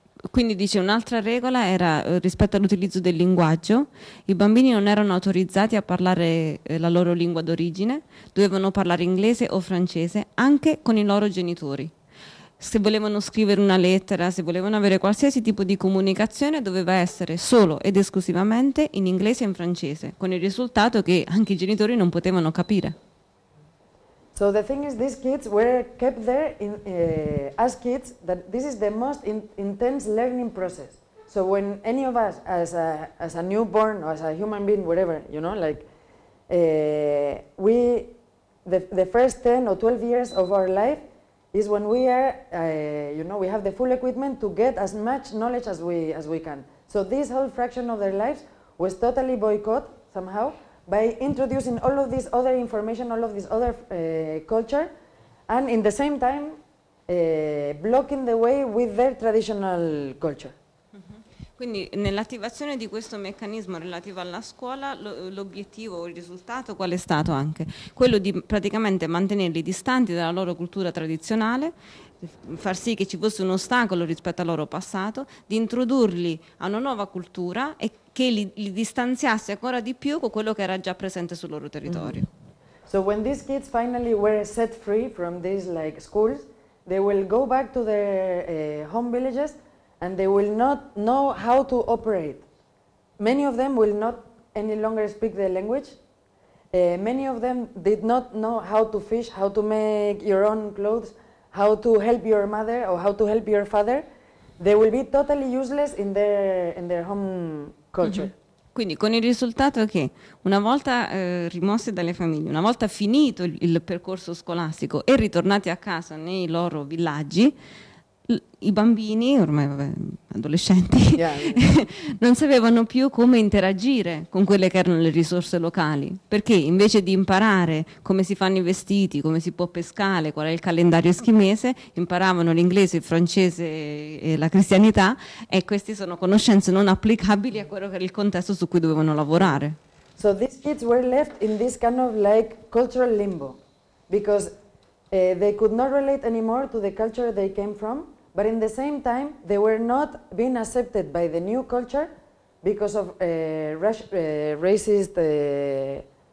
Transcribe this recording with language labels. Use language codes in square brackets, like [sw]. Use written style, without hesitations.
[it] Quindi dice un'altra regola era rispetto all'utilizzo del linguaggio, i bambini non erano autorizzati a parlare la loro lingua d'origine, dovevano parlare inglese o francese anche con i loro genitori. Se volevano scrivere una lettera, se volevano avere qualsiasi tipo di comunicazione, doveva essere solo ed esclusivamente in inglese e in francese, con il risultato che anche i genitori non potevano capire. [en] So the thing is, these kids were kept there in, as kids, that this is the most intense learning process. So when any of us, as a newborn or as a human being, whatever, you know, like, the first 10 or 12 years of our life is when we are, you know, we have the full equipment to get as much knowledge as we can. So this whole fraction of their lives was totally boycotted somehow by introducing all of this other information, all of this other culture, and in the same time blocking the way with their traditional culture. [it] Quindi nell'attivazione di questo meccanismo relativo alla scuola, l'obiettivo o il risultato qual è stato anche? Quello di praticamente mantenerli distanti dalla loro cultura tradizionale, far sì che ci fosse un ostacolo rispetto al loro passato, di introdurli a una nuova cultura e che li distanziasse ancora di più con quello che era già presente sul loro territorio. Mm-hmm. [en] So when these kids finally were set free from these like schools, they will go back to their home villages. And they will not know how to operate. Many of them will not any longer speak the language. Many of them did not know how to fish, how to make your own clothes, how to help your mother or how to help your father. They will be totally useless in their home culture. Mm-hmm. [it] Quindi con il risultato che una volta rimossi dalle famiglie, una volta finito il percorso scolastico e ritornati a casa nei loro villaggi, i bambini, ormai vabbè, adolescenti, non sapevano più come interagire con quelle che erano le risorse locali, perché invece di imparare come si fanno i vestiti, come si può pescare, qual è il calendario eschimese, imparavano l'inglese, il francese e la cristianità, e queste sono conoscenze non applicabili a quello che era il contesto su cui dovevano lavorare. [en] So these kids were left in this kind of like cultural limbo, because they could not relate anymore to the culture they came from, but in the same time they were not being accepted by the new culture because of racist